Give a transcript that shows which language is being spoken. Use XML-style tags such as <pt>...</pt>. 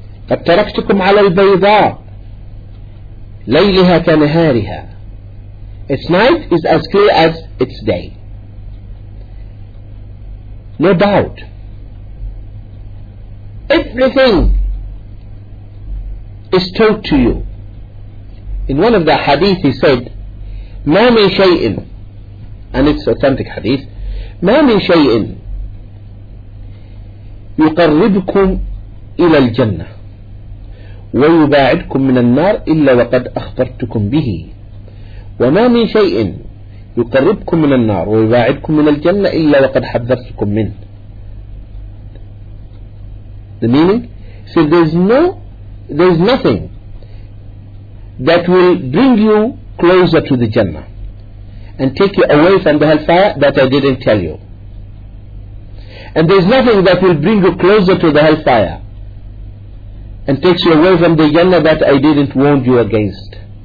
<ar>أَتَّرَكْتُكُمْ عَلَى الْبَيْضَاءِ لَيْلِهَا كَنَهَارِهَا.</ar> <en>Its night is as clear as its day. No doubt. Everything is told to you. In one of the hadith he said,</en> <ar>مَا مِنْ شَيْءٍ,</ar> <en>and it's authentic hadith,</en> <ar>مَا مِنْ شَيْءٍ يُقَرِّبُكُمْ إِلَى الْجَنَّةِ وَيُبَاعِدْكُمْ مِنَ النَّارِ إِلَّا وَقَدْ أَخْبَرْتُكُمْ بِهِ وَمَا مِنْ شَيْءٍ يُقَرِّبْكُمْ مِنَ النَّارِ وَيُبَاعِدْكُمْ مِنَ الْجَنَّةِ إِلَّا وَقَدْ حَذَّرْتُكُمْ مِنْهِ.</ar> <en>The meaning? So there's nothing that will bring you closer to the Jannah and take you away from the hellfire that I didn't tell you. And there's nothing that will bring you closer to the hellfire and takes you away from the Jannah that I didn't warn you against.</en>